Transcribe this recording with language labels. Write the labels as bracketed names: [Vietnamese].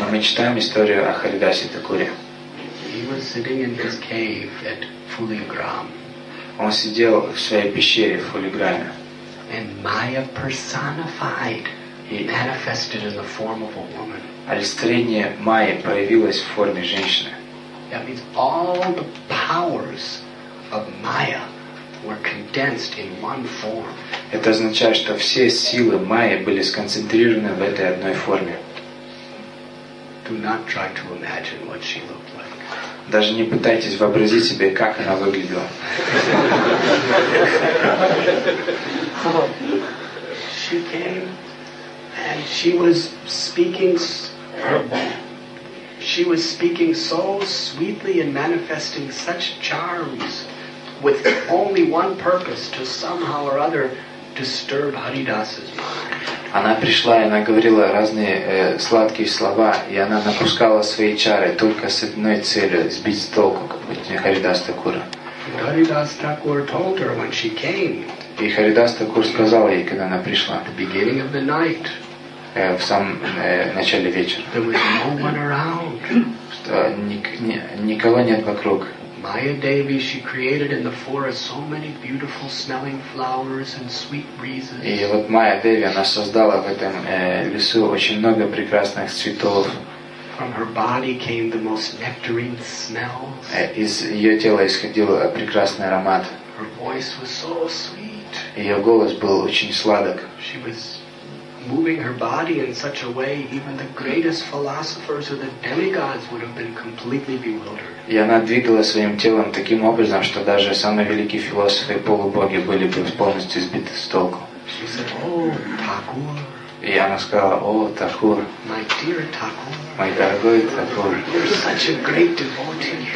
[Russian] Но мы читаем историю о Харидасе Такуре. [English] He was sitting in his cave at Fuligram. [Russian] Он сидел в своей пещере в Фулиграме. [English] And Maya personified, manifested in the form of a woman. [Russian] Олицетворение Майи появилось в форме женщины. [English] That means all the powers of Maya were condensed in one form. [Russian] Это означает, что все силы Майи были сконцентрированы в этой одной форме. [English] Do not try to imagine what she looked like. [Russian] Даже не пытайтесь вообразить себе, как она выглядела. [English] She came and she was speaking. She was speaking so sweetly and manifesting such charms with only one purpose, to somehow or other disturb Haridasa's mind. [Russian] Она пришла, и она говорила разные сладкие слова, и она напускала свои чары только с одной целью — сбить с толку Харидаса Такура. [English] Haridasa Thakur told her when she came. [Russian] И Харидаса Такур сказал ей, когда она пришла. [English] The beginning of the night. [Russian] В самом начале вечера. [English] There was no one around. [Russian] Что никого нет вокруг. [English] Maya Devi, she created in the forest so many beautiful smelling flowers and sweet breezes. [Russian] И вот Maya Devi, она создала в этом лесу очень много прекрасных цветов. [English] From her body came the most nectarine smells. [Russian] Из ее тела исходил прекрасный аромат. [English] Her voice was so sweet. [Russian] Ее голос был очень сладок. [English] She was moving her body in such a way even the greatest philosophers or the demigods would have been completely bewildered. [Russian] И она двигала своим телом таким образом, что даже самые великие философы и полубоги были бы полностью сбиты с толку. [English] She said, "О, Такур." [Russian] И она сказала, "О, Такур." [English] My dear Такур. [Russian] Мой дорогой Такур. [English] You're such a great devotee.